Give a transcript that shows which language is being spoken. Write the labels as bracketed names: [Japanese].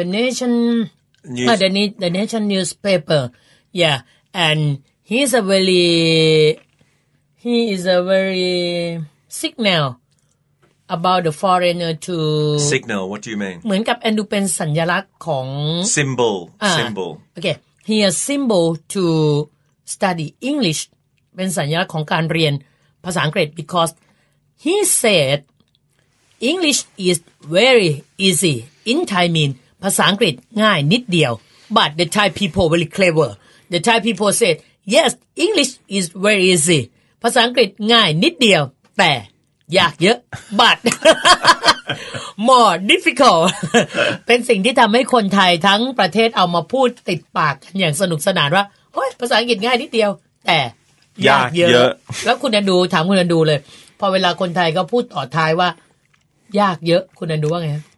[English] the nation newspaper yeah and he is a very signalAbout the foreigner to signal. What do you mean? [Thai] เหมือนกับแอนดูเป็นสัญลักษณ์ของ [English] symbol. Symbol. Okay. He a symbol to study English. [Thai] เป็นสัญลักษณ์ของการเรียนภาษาอังกฤษ [English] because he said English is very easy. In Thai mean [Thai] ภาษาอังกฤษง่ายนิดเดียว [English] but the Thai people very clever. The Thai people said yes, English is very easy. [Thai] ภาษาอังกฤษง่ายนิดเดียวแต่ยากเยอะ [English] but more difficult [Thai] เป็นสิ่งที่ทำให้คนไทยทั้งประเทศเอามาพูดติดปากกันอย่างสนุกสนานว่าโอ้ยภาษาอังกฤษง่ายนิดเดียวแต่ยากเยอะแล้วคุณอันดูถามคุณอันดูเลยพอเวลาคนไทยก็พูดต่อท้ายว่ายากเยอะคุณอันดูว่าไง